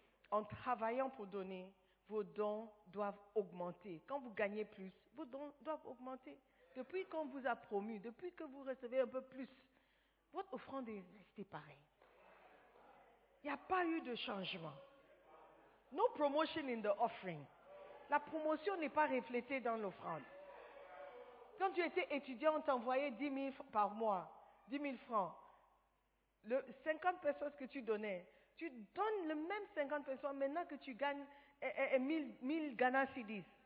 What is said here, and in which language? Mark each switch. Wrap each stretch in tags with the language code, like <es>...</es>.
<fr>En travaillant pour donner, vos dons doivent augmenter. Quand vous gagnez plus, vos dons doivent augmenter. Depuis qu'on vous a promu, depuis que vous recevez un peu plus, votre offrande est restée pareille. Il n'y a pas eu de changement.</fr> <en>No promotion in the offering.</en> <fr>La promotion n'est pas reflétée dans l'offrande. Quand tu étais étudiant, on t'envoyait 10 000 par mois, 10 000 francs. Le 50 personnes que tu donnais, tu donnes le même 50 personnes maintenant que tu gagnes 1000 Ghana Cedis.</fr>